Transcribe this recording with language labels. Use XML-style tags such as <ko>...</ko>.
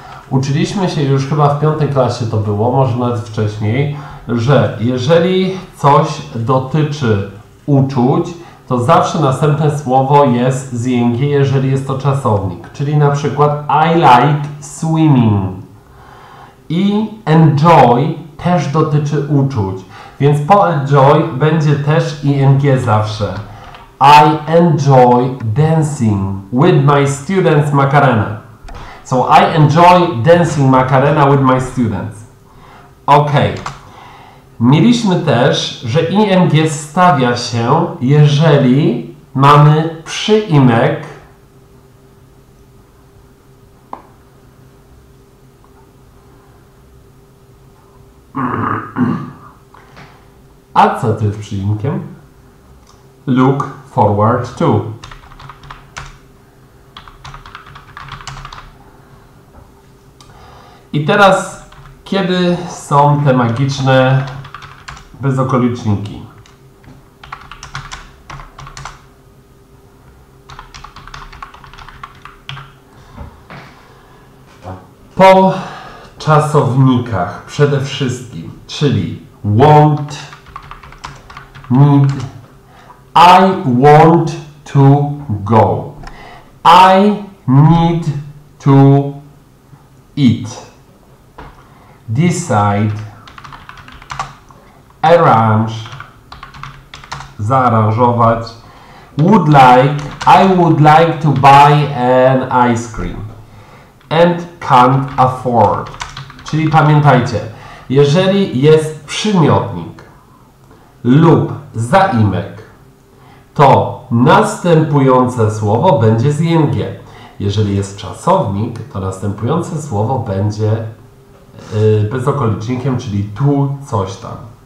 <pl>Uczyliśmy się już chyba w piątej klasie to było, może nawet wcześniej, że jeżeli coś dotyczy uczuć, to zawsze następne słowo jest z ing, jeżeli jest to czasownik. Czyli na przykład</pl> <en>I like swimming.</en> <pl>I enjoy też dotyczy uczuć. Więc po enjoy będzie też ing zawsze.</pl> <en>I enjoy dancing with my students Macarena. So I enjoy dancing Macarena with my students. Ok.</en> <pl>Mieliśmy też, że ing stawia się, jeżeli mamy przyimek. A co to jest przyimkiem?</pl> <en>Look forward to.</en> <pl>I teraz, kiedy są te magiczne bezokoliczniki? Po czasownikach przede wszystkim, czyli want, need,</pl> <en>I want to go, I need to eat. Decide, arrange, zaaranżować, would like, I would like to buy an ice cream, and can't afford.</en> <pl>Czyli pamiętajcie, jeżeli jest przymiotnik lub zaimek, to następujące słowo będzie z ing. Jeżeli jest czasownik, to następujące słowo będzie bezokolicznikiem, czyli tu coś tam.</pl>